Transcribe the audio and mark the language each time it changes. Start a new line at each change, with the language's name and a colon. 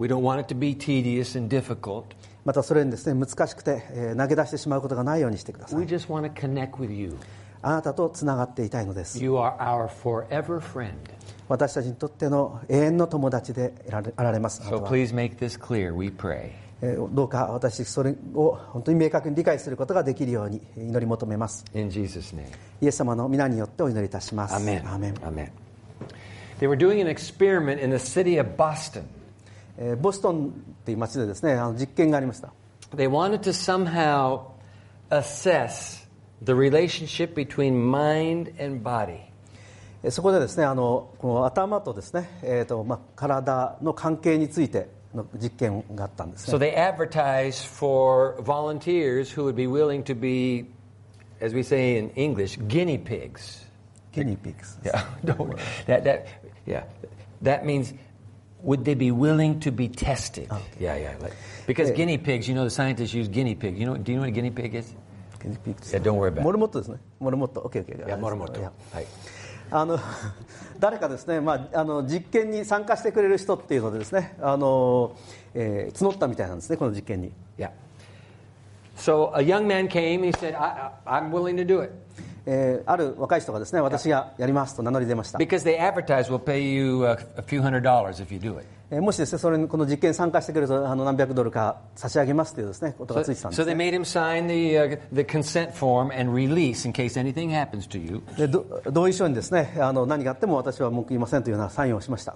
English: We don't want it to be tedious and difficult.
Japanese: またそれにですね、難しくて、投げ出してしまうことがないようにしてください。
English: We just want to connect with you.
Japanese: あなたとつながっていたいのです。
English: You are our forever friend.
Japanese: 私たちにとっての永遠の友達でいられます。
English: So please make this clear, we pray.
Japanese: どうか私それを本当に明確に理解することができるように祈り求めます。
English: In Jesus' name.
Japanese: イエス様の皆によってお祈りいたします。
English: Amen. Amen. Amen. They were doing an experiment in the city of Boston.
Japanese: ボストンという町でですね、あの実験がありました。
English: They wanted to somehow assess the relationship between mind and body.
Japanese: そこでですね、あのこの頭とですね、体の関係についての実験があったんですね。
English: So they advertised for volunteers who would be willing to be, as we say in English, guinea pigs. Guinea pigs. Yeah. That means would they be willing to be tested? Okay. Yeah, yeah. Because guinea pigs, you know, the scientists use guinea pigs. You know, do you know what a guinea pig is? Guinea pigs. Yeah, don't worry about it.
Japanese: モルモットですね。モルモット。
English: Okay, okay. Yeah,
Japanese: モルモット。はい。あの誰かですね、まあ、あの実験に参加してくれる人っていうのでですね、募ったみたいなんですね、この実験に。
English: Yeah. So a young man came. He said, "I'm willing to do it."
Japanese: ある若い人がですね、私がやりますと名乗り出ました。
English: Because they advertise, we'll pay you a few hundred dollars if you do it.
Japanese: もしですね、それにこの実験に参加してくれると何百ドルか差し上げますというですね、ことがついてたんですね。
English: So they made him sign the consent form and release in case anything happens to you.
Japanese: 同意書にですね、何があっても私は文句言いませんというようなサインをしました。